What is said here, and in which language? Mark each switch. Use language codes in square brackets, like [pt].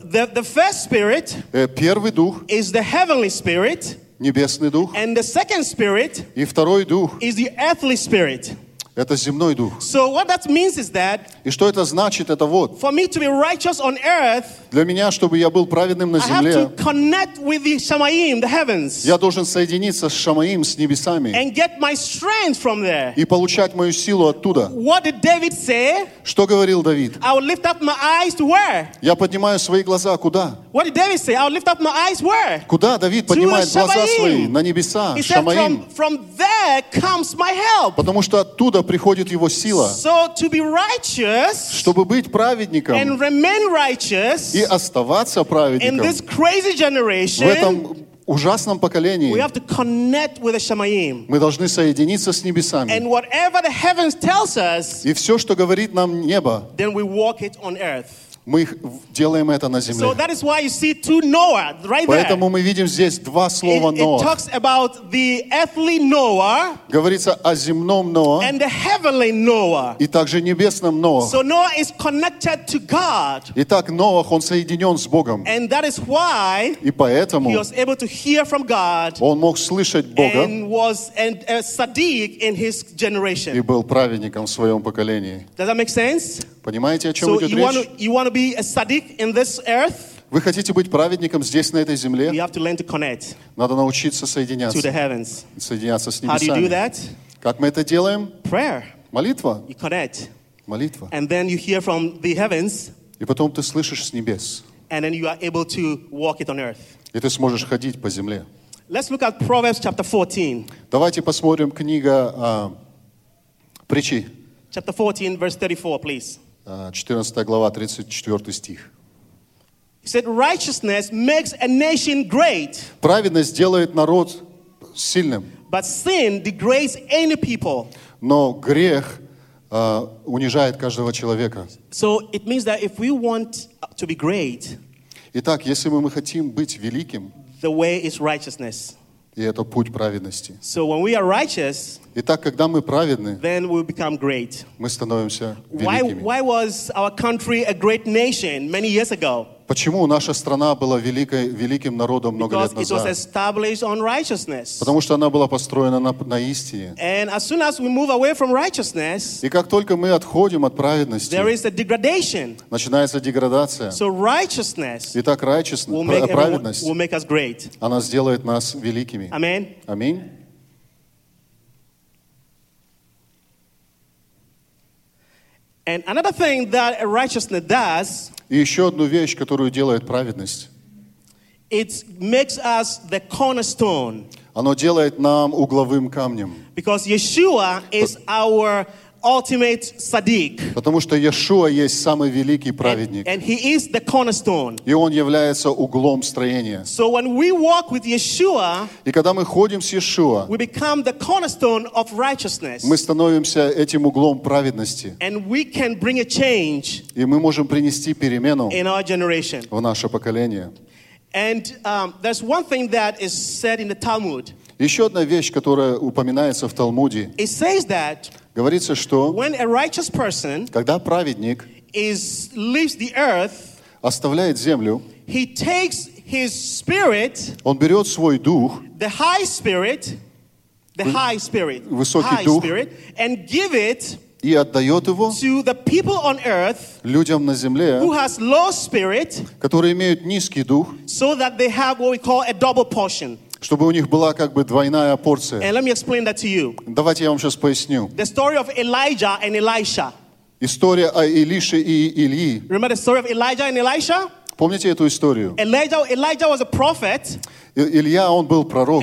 [en] The first spirit [ru] первый дух [en] is the heavenly spirit. [ru] Небесный дух. [en] And the second spirit [ru] и второй дух [en] is the earthly spirit. [ru] Это земной дух. [en] So what that means is that [ru] и что это значит, это вот. [en] For me to be righteous on earth, [ru] для меня, чтобы я был праведным на земле, [en] I have to connect with the Shamayim, the heavens. [ru] Я должен соединиться с Шамаим, с небесами. [en] And get my strength from there. [ru] И получать мою силу оттуда. [en] What did David say? [ru] Что говорил Давид? [en] I will lift up my eyes to where? [ru] Я поднимаю свои глаза куда? [en] What did David say? I will lift up my eyes where? [ru] Куда Давид поднимает глаза свои? На небеса, Шамаим. [en] From there comes my help. [ru] Потому что оттуда приходит его сила. [en] So to be righteous, [ru] чтобы быть праведником [en] and remain righteous, [ru] и оставаться праведником [en] in this crazy generation, [ru] в этом ужасном поколении, [en] we have to connect with the Shamayim. [ru] Мы должны соединиться с небесами. [en] And whatever the heavens tells us, [ru] и все, что говорит нам небо, [en] then we walk it on earth. [ru] Мы делаем это на земле. [en] So that is why you see two Noah right there. [ru] Поэтому мы видим здесь два слова Ноа. [en] It talks about the earthly Noah. [ru] Говорится о земном Ноа. [en] And the heavenly Noah. [ru] И также небесном Ноа. [en] So Noah is connected to God. [ru] Итак, Ноах, он соединен с Богом. [en] And that is why [ru] и поэтому [en] he was able to hear from God. [ru] Он мог слышать Бога. [en] And was a tzaddik in his generation. [ru] И был праведником в своем поколении. [en] Does that make sense? [ru] Понимаете, о чем идет речь? [en] You want to be a tzaddik in this earth? [ru] Вы хотите быть праведником здесь, на этой земле? [en] You have to learn to connect. [ru] Надо научиться соединяться. [en] To the heavens. [ru] Соединяться с небесами. [en] How do you do that? [ru] Как мы это делаем? [en] Prayer. [ru] Молитва. [en] You connect. [ru] Молитва. [en] And then you hear from the heavens. [ru] И потом ты слышишь с небес. [en] And then you are able to walk it on earth. [ru] И ты сможешь ходить по земле. [en] Let's look at Proverbs chapter 14. [ru] Давайте посмотрим книга притчи. [en] Chapter 14, verse 34, please. [ru] 14 глава, 34 стих. [en] He said, righteousness makes a nation great. [ru] Праведность делает народ сильным. [en] But sin degrades any people. [ru] Но грех унижает каждого человека. [en] So it means that if we want to be great, [ru] итак, если мы хотим быть великим, [en] the way is righteousness. [ru] И это путь праведности. [en] So when we are righteous, [ru] итак, когда мы праведны, [en] then we become great. [ru] Мы становимся великими. [en] Why was our country a great nation many years ago? [ru] Почему наша страна была великим народом много [en] Because [ru] лет назад? [en] Because it was established on righteousness. [ru] Потому что она была построена на истине. [en] And as soon as we move away from righteousness, [ru] и как только мы отходим от праведности, [en] there is a degradation. [ru] Начинается деградация. [en] So righteousness, [ru] итак, righteousness, [en] will make [ru] праведность, [en] everyone, will make us great. [ru] Она сделает нас великими. [en] Amen. [ru] Аминь. [en] And another thing that righteousness does, [ru] и еще одну вещь, которую делает праведность, [en] it makes us the cornerstone. [ru] Оно делает нам угловым камнем. [en] Because Yeshua is our ultimate tzaddik. [ru] Потому что Иешуа есть самый великий праведник. [en] And he is the cornerstone. [ru] И он является углом строения. [en] So when we walk with Yeshua, [ru] и когда мы ходим с Иешуа, [en] we become the cornerstone of righteousness. [ru] Мы становимся этим углом праведности. [en] And we can bring a change. [ru] И мы можем принести перемену [en] in our generation. [ru] В наше поколение. [en] And there's one thing that is said in the Talmud. [ru] Еще одна вещь, которая упоминается в Талмуде. [en] It says that [ru] говорится, что [en] when a righteous person, [ru] когда праведник [en] leaves the earth, [ru] оставляет землю, [en] he takes his spirit, [ru] он берет свой дух, [en] the high spirit, the high spirit, [ru] высокий [en] high [ru] дух, [en] spirit, and give it, [ru] и отдает его [en] to the people on earth, [ru] людям на земле, [en] who has low spirit, [ru] которые имеют низкий дух, [en] so that they have what we call a double portion. [ru] Чтобы у них была как бы двойная порция. [en] And let me explain that to you. [ru] Давайте я вам сейчас поясню. [en] The story of Elijah and Elisha. [ru] История о Илише и Ильи. [en] Remember the story of Elijah and Elisha? [ru] Помните эту историю? [en] Elijah was a prophet. [ru] Илья, он был пророк.